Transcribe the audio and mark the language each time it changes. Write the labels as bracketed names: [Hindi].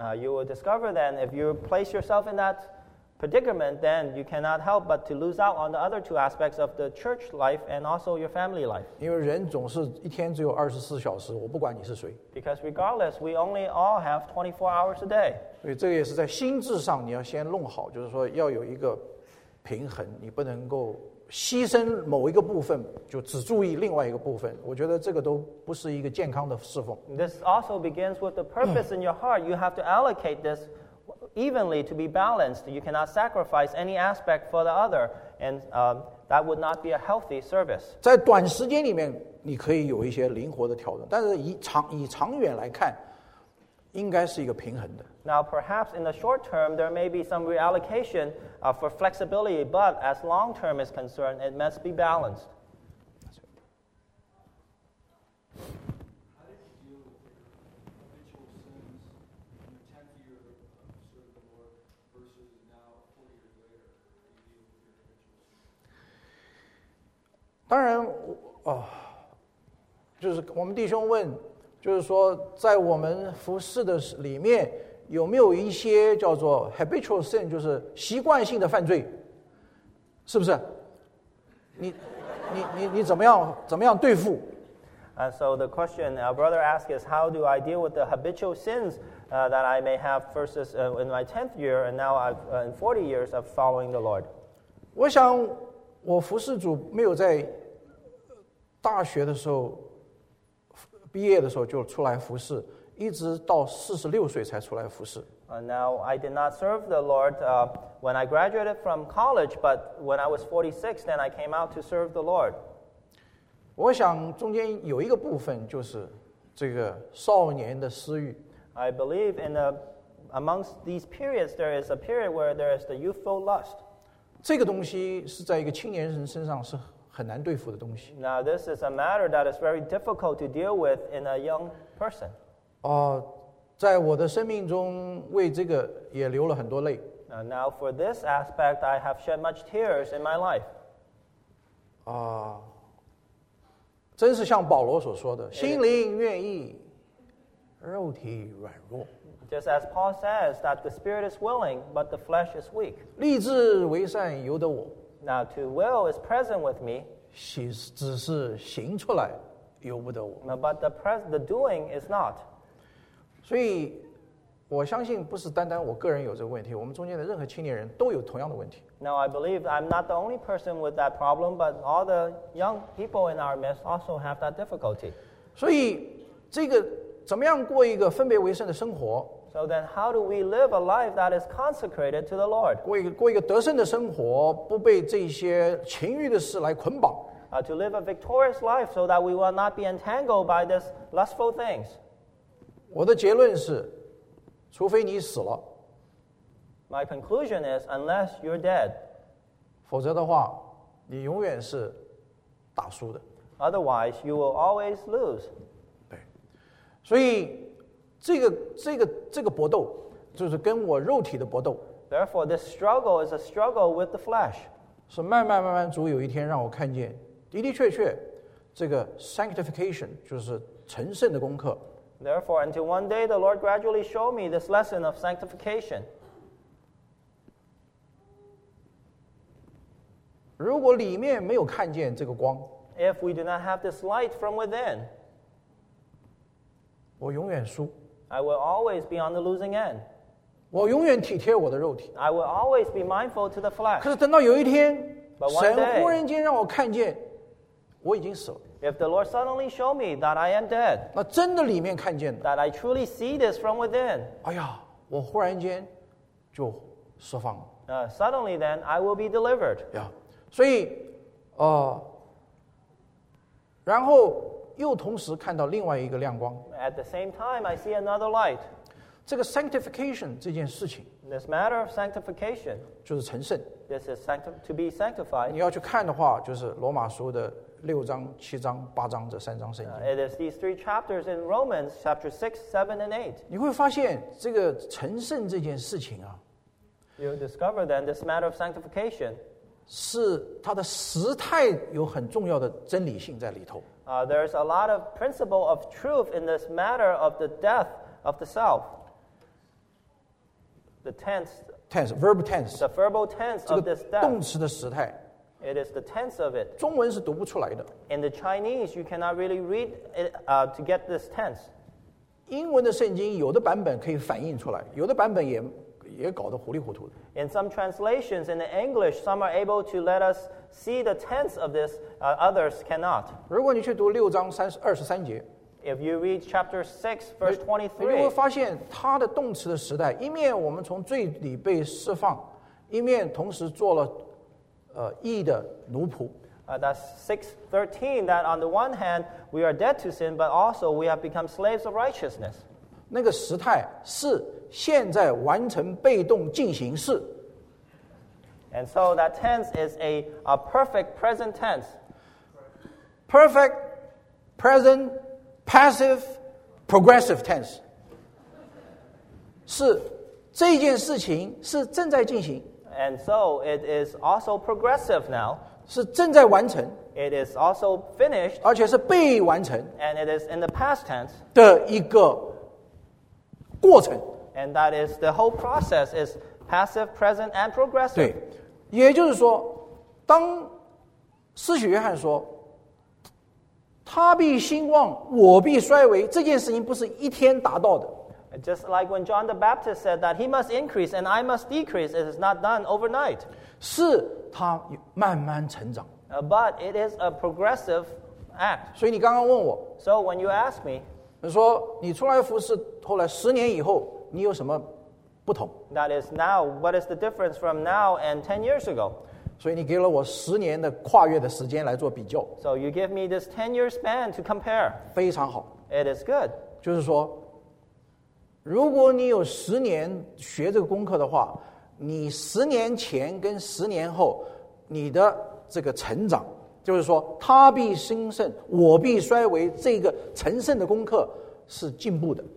[English] You will discover then if you place yourself in that predicament, then you cannot help but to lose out on the other two aspects of the church life and also your family life. [Chinese] 因为人总是一天只有二十四小时，我不管你是谁。 [English] Because regardless, we only all have 24 hours a day. [Chinese] 所以这个也是在心智上你要先弄好，就是说要有一个平衡，你不能够牺牲某一个部分就只注意另外一个部分，我觉得这个都不是一个健康的侍奉。 [English] This also begins with the purpose in your heart. You have to allocate this evenly to be balanced. You cannot sacrifice any aspect for the other, and that would not be a healthy service. [Chinese] 在短时间里面你可以有一些灵活的调整，但是以长远来看应该是一个平衡的。 [English] Now perhaps in the short term there may be some reallocation for flexibility, but as long term is concerned it must be balanced. [Chinese] 当然，就是我们弟兄问，就是说，在我们服事的里面，有没有一些叫做 [English] habitual sin， [Chinese] 就是习惯性的犯罪，是不是？你怎么样对付？ [English] So the question our brother asked is, how do I deal with the habitual sins that I may have versus in my 10th year and now in 40 years of following the Lord? [Chinese] 我想我服事主没有在大学的时候，毕业的时候就出来服侍，一直到四十六岁才出来服侍。 [English] Now I did not serve the Lord when I graduated from college, but when I was 46, then I came out to serve the Lord. [Chinese] 我想中间有一个部分就是这个少年的私欲。 [English] I believe in amongst these periods, there is a period where there is the youthful lust. [Chinese] 这个东西是在一个青年人身上是很难对付的东西。 [English] Now this is a matter that is very difficult to deal with in a young person. [Chinese] 在我的生命中为这个也流了很多泪。 [English] Now for this aspect, I have shed much tears in my life. [Chinese] 真是像保罗所说的，心灵愿意，肉体软弱。 [English] Just as Paul says, that the spirit is willing, but the flesh is weak. [Chinese] 立志为善由得我。 [English] Now to will is present with me. [Chinese] 只是行出来由不得我。 [English] But the doing is not. [Chinese] 所以我相信不是单单我个人有这个问题，我们中间的任何青年人都有同样的问题。 [English] Now I believe I'm not the only person with that problem, but all the young people in our midst also have that difficulty. [Chinese] 所以这个怎么样过一个分别为圣的生活？ [English] So then how do we live a life that is consecrated to the Lord? [Chinese] 过一个得胜的生活，不被这些情欲的事来捆绑。 [English] To live a victorious life so that we will not be entangled by these lustful things. [Chinese] 我的结论是，除非你死了。 [English] My conclusion is, unless you're dead. [Chinese] 否则的话，你永远是打输的。 [English] Otherwise, you will always lose. [Chinese] 对。所以，这个搏斗，就是跟我肉体的搏斗。 [English] Therefore, this struggle is a struggle with the flesh. [Chinese] 是慢慢慢慢，主有一天让我看见，的的确确，这个 sanctification, 就是成圣的功课。 [English] Therefore, until one day, the Lord gradually showed me this lesson of sanctification. [Chinese] 如果里面没有看见这个光， [English] if we do not have this light from within, [Chinese] 我永远输。 [English] I will always be on the losing end. [Chinese] 我永远体贴我的肉体。 [English] I will always be mindful to the flesh. [Chinese] 可是等到有一天， [English] but one day, [Chinese] 神忽然间让我看见我已经死了。 [English] If the Lord suddenly show me that I am dead, [Chinese] 那真的里面看见的。 [English] That I truly see this from within. [Chinese] 哎呀，我忽然间就释放了。 [English] Suddenly then, I will be delivered. Yeah. [Chinese] 所以，然后又同时看到另外一个亮光。 [English] At the same time, I see another light. [Chinese] 这个 sanctification 这件事情。 [English] This matter of sanctification. [Chinese] 就是成圣。 [English] This is to be sanctified. [Chinese] 你要去看的话，就是罗马书的六章、七章、八章这三章圣经。 [English] It is these three chapters in Romans, chapter 6, 7, and 8. [Chinese] 你会发现这个成圣这件事情啊， [English] you discover then this matter of sanctification [Chinese] 是它的实态有很重要的真理性在里头。 [English] There is a lot of principle of truth in this matter of the death of the self. The tense, verb tense, the verbal tense of this death. [Chinese] 动词的实态。 [English] It is the tense of it. [Chinese] 中文是读不出来的。 [English] In the Chinese, you cannot really read it, to get this tense. [Chinese] 英文的圣经有的版本可以反映出来，有的版本也搞得糊里糊涂的。 [English] In some translations in the English, some are able to let us see the tense of this, others cannot. [Chinese] 如果你去读六章三十二十三节， [English] if you read chapter 6, verse 23, [Chinese] 你会发现它的动词的时代，一面我们从罪里被释放，一面同时做了义的奴仆。 [English] That's 6:13. That on the one hand we are dead to sin, but also we have become slaves of righteousness. [Chinese] 那个时态是现在完成被动进行式。 [English] And so that tense is a perfect present tense. Perfect present passive progressive tense. [Chinese] 是这件事情是正在进行。 [English] And so it is also progressive now. [Chinese] 是正在完成。 [English] It is also finished. [Chinese] 而且是被完成。 [English] And it is in the past tense. [Chinese] 的一个过程。 [English] And that is the whole process is passive, present, and progressive. [Chinese] 对，也就是说，当施洗约翰说他必兴旺，我必衰微，这件事情不是一天达到的。 [English] Just like when John the Baptist said that he must increase and I must decrease, it is not done overnight. [Chinese] 是他慢慢成长。 [English] But it is a progressive act. [Chinese] 所以你刚刚问我。 [English] So when you ask me, [Chinese] 说你出来服侍，后来十年以后，你有什么不同？ [English] That is now, what is the difference from now and 10 years ago? [Chinese] 所以你给了我十年的跨越的时间来做比较。 [English] So you give me this 10-year span to compare. [Chinese] 非常好。 [English] It is good. [Chinese] 就是说如果你有十年学这个功课的话，你十年前跟十年后，你的这个成长，就是说他必兴盛，我必衰微，这个成圣的功课是进步的。